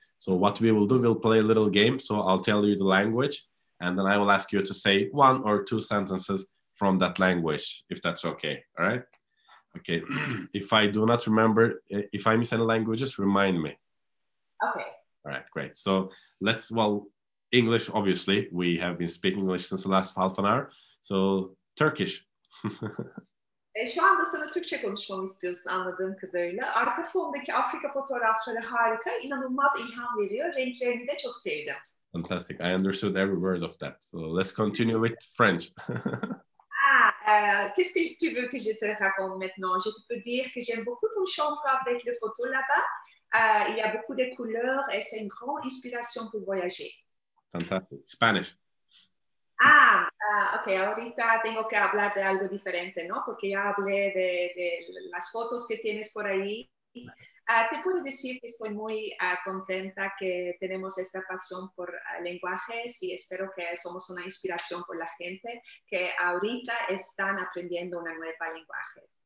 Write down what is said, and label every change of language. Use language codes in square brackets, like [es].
[en] So what we will do, we'll play a little game. So I'll tell you the language, and then I will ask you to say one or two sentences from that language, if that's okay, all right? Okay, if I do not remember, if I miss any languages, remind me. Okay. All right, great. So let's, well, English, obviously, we have been speaking English since the last half an hour. So Turkish. [tr] Şu anda sana Türkçe konuşmamı istiyorsun anladığım kadarıyla. Arka fondaki Afrika fotoğrafları harika, inanılmaz ilham veriyor. Renklerini de çok sevdim. [en] Fantastic. I understood every word of that. So let's continue with French. [fr] Qu'est-ce que tu veux que je te raconte maintenant? Je te peux dire que j'aime beaucoup ton chambre avec les photos là-bas. Il y a beaucoup de couleurs et c'est une grande inspiration pour voyager. [en] Fantastic. Spanish. [es] Ok, ahorita tengo que hablar de algo diferente, ¿no? Porque ya hablé de las fotos que tienes por ahí. Te puedo decir que estoy muy contenta que tenemos esta pasión por lenguajes y espero que somos una inspiración por la gente que ahorita están aprendiendo una nueva lenguaje.